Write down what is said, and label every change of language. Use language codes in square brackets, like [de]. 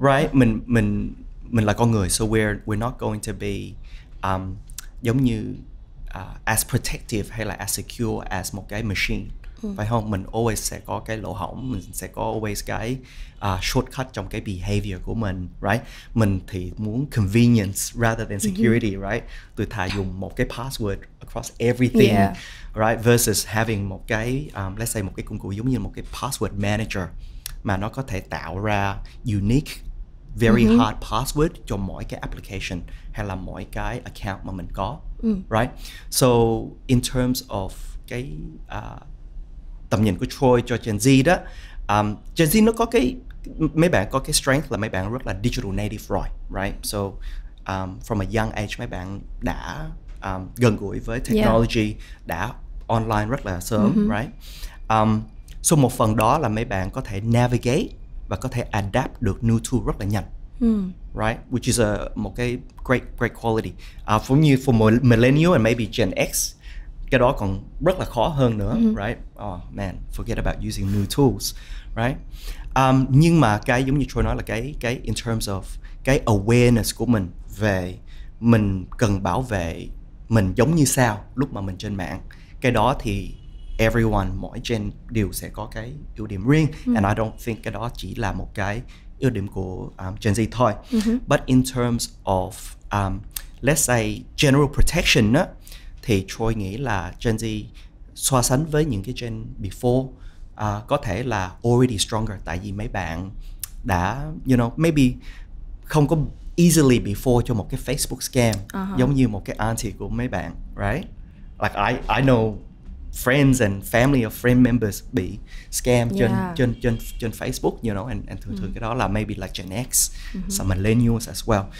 [vi] Right, mình là con người, [en] so we're not going to be [vi] giống như [en] as protective [vi] hay là [en] as secure as [vi] một cái machine, phải không? Mình always sẽ có cái lỗ hổng, mình sẽ có always cái shortcut trong cái behavior của mình, right? Mình thì muốn [en] convenience rather than security, [vi] right? Tôi thà dùng một cái password [en] across everything, [vi] right? Versus having một cái, let's say một cái công cụ giống như một cái password manager mà nó có thể tạo ra [en] unique, very hard password [vi] cho mỗi cái application hay là mỗi cái account mà mình có, right? So in terms of cái tầm nhìn của Troy cho Gen Z đó, Gen Z nó có cái, mấy bạn có cái strength là mấy bạn rất là digital native rồi, right? [en] So from a young age [vi] mấy bạn đã gần gũi với technology, đã online rất là sớm, right? So một phần đó là mấy bạn có thể navigate và có thể adapt được new tool rất là nhanh, right? [en] Which is [vi] một cái great quality. For như for millennial and maybe Gen X, cái đó còn rất là khó hơn nữa, right? [en] Oh man, forget about using new tools, right? [vi] Nhưng mà cái giống như Troy nói là cái in terms of cái awareness của mình về mình cần bảo vệ mình giống như sao lúc mà mình trên mạng, cái đó thì everyone, mỗi gen đều sẽ có cái ưu điểm riêng, [en] and I don't think [vi] cái đó chỉ là một cái ưu điểm của Gen Z thôi. [en] But in terms of let's say general protection [vi] á, thì Troy nghĩ là Gen Z so sánh với những cái gen before có thể là [en] already stronger, [vi] tại vì mấy bạn đã, you know, maybe không có easily be fall cho một cái Facebook scam, giống như một cái auntie của mấy bạn, right? [en] Like I know friends and family of friend members be scam trên Facebook, you know, and [vi] thường thường cái đó là [en] maybe like Gen X, some millennials as well.